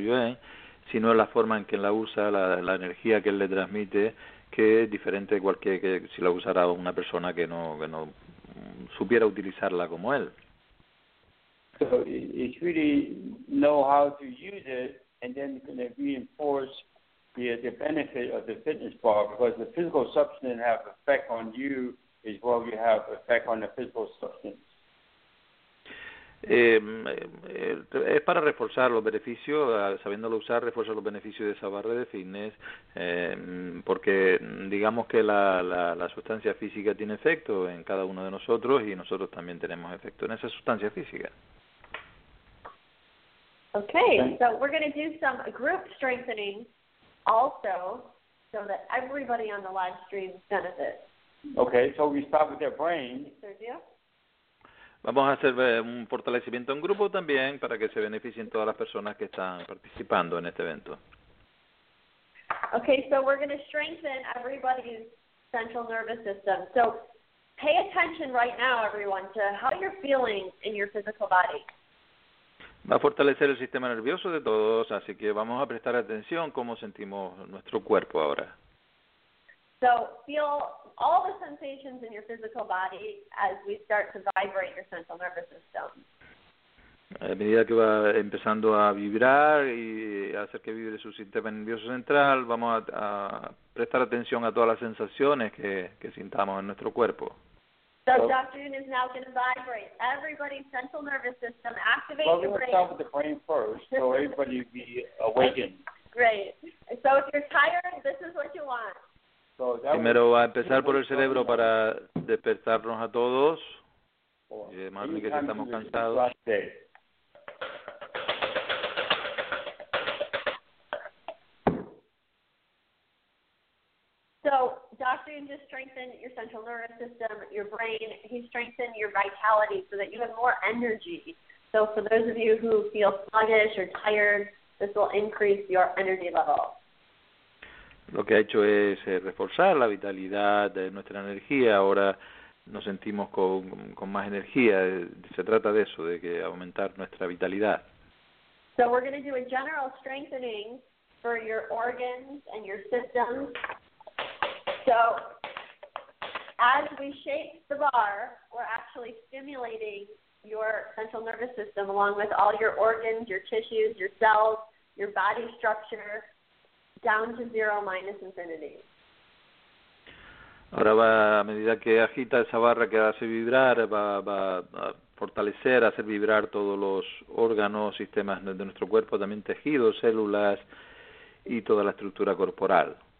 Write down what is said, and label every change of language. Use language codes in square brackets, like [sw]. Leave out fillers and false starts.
[es] Yuen, sino la forma en que la usa, la energía que él le transmite, que es diferente de cualquier que si la usara una persona que no supiera utilizarla como él. [en] So it's really know how to use it and then kind of reinforce the benefit of the fitness bar, because the physical substance have effect on you as well as you have effect on the physical substance. [es] Es para reforzar los beneficios, sabiéndolo usar, reforzar los beneficios de esa barra de fitness, porque digamos que la sustancia física tiene efecto en cada uno de nosotros y nosotros también tenemos efecto en esa sustancia física. [en] Okay, so we're going to do some group strengthening also so that everybody on the live stream benefits. Okay, so we start with their brain. Sergio? [es] Vamos a hacer un fortalecimiento en grupo también para que se beneficien todas las personas que están participando en este evento. [en] Okay, so we're going to strengthen everybody's central nervous system. So pay attention right now, everyone, to how you're feeling in your physical body. [es] Va a fortalecer el sistema nervioso de todos, así que vamos a prestar atención cómo sentimos nuestro cuerpo ahora. [en] So feel all the sensations in your physical body as we start to vibrate your central nervous system. [es] A medida que va empezando a vibrar y hacer que vibre su sistema nervioso central, vamos a prestar atención a todas las sensaciones que sintamos en nuestro cuerpo. [en] So Dr. Yuen is now going to vibrate everybody's central nervous system, activate your brain. Well, we're going to start with the brain first, so everybody be awakened. Great. So if you're tired, this is what you want. [es] Primero va a empezar por el cerebro para despertarnos a todos. Y además de que estamos cansados. [en] So, Dr. Yuen just strengthened your central nervous system, your brain. He strengthened your vitality so that you have more energy. So for those of you who feel sluggish or tired, this will increase your energy level. [es] Lo que ha hecho es reforzar la vitalidad de nuestra energía. Ahora nos sentimos con más energía. Se trata de eso, de que aumentar nuestra vitalidad. [en] So we're going to do a general strengthening for your organs and your systems. So as we shake the bar, we're actually stimulating your central nervous system along with all your organs, your tissues, your cells, your body structure, down to zero minus infinity. [es] Ahora va, a medida que agita esa barra que hace vibrar, va a fortalecer, hacer vibrar todos los órganos, sistemas de nuestro cuerpo, también tejidos, células y toda la estructura corporal.